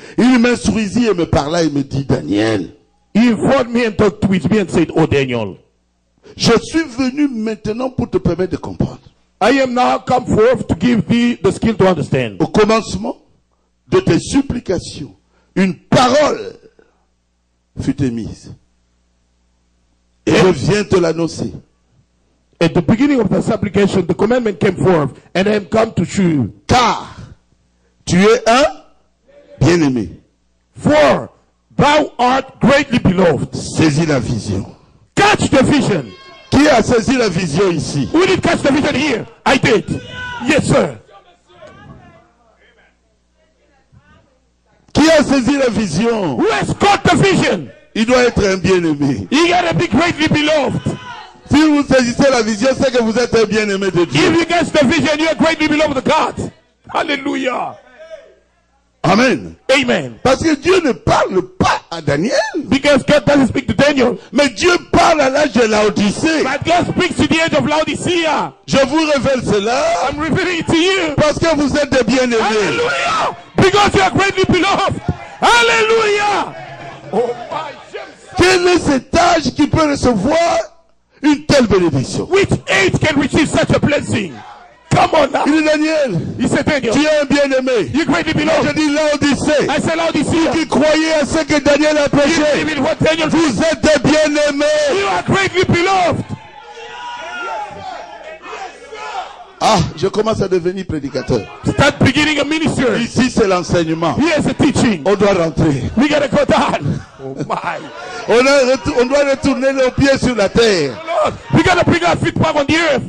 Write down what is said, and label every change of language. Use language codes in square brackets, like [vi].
[fr] Il m'instruisit et me parla et me dit, Daniel. [en] He informed me and talked with me and said, oh Daniel. [fr] Je suis venu maintenant pour te permettre de comprendre. [en] I am now come forth to give thee the skill to understand. [fr] Au commencement de tes supplications, une parole fut émise. Et je viens te l'annoncer. [en] At the beginning of the supplication, the commandment came forth, and I am come to you. [fr] Car tu es un bien-aimé. [en] For thou art greatly beloved. [fr] Saisis la vision. [en] Catch the vision. [fr] Qui a saisi la vision ici? [en] Who did catch the vision here? I did. Yes, sir. [fr] Qui a saisi la vision? [en] Who has caught the vision? [fr] Il doit être un bien-aimé. [en] He gotta be greatly beloved. [fr] Si vous saisissez la vision, c'est que vous êtes un bien-aimé de Dieu. [en] If you get the vision, you are greatly beloved of God. Hallelujah. Amen. Amen. [fr] Parce que Dieu ne parle pas à Daniel. [en] Because God doesn't speak to Daniel. [fr] Mais Dieu parle à l'âge de Laodicée. [en] But God speaks to the age of Laodicea. [fr] Je vous révèle cela. [en] I'm revealing it to you. [fr] Parce que vous êtes des bien-aimés. [en] Hallelujah. Because you are greatly beloved. Hallelujah. [fr] Quel est cet âge qui peut recevoir une telle bénédiction? [en] Which age can receive such a blessing? Come on now. [fr] Il est Daniel. [en] He said Daniel. [fr] Tu es un bien-aimé. [en] You greatly beloved. [fr] Je dis Laodicée. [en] I said Laodicea. [fr] Qui croyait à ce que Daniel a prêché? [en] You believe in what Daniel [fr] preached. Vous êtes des bien-aimés. [en] You are greatly beloved. [fr] Ah, je commence à devenir prédicateur. [en] Start beginning a minister. [fr] Ici, c'est l'enseignement. [en] Here is the teaching. [fr] On doit rentrer. [en] We gotta go down. Oh my. [fr] On doit retourner nos pieds sur la terre. [en] Lord, we gotta bring our feet back on the earth.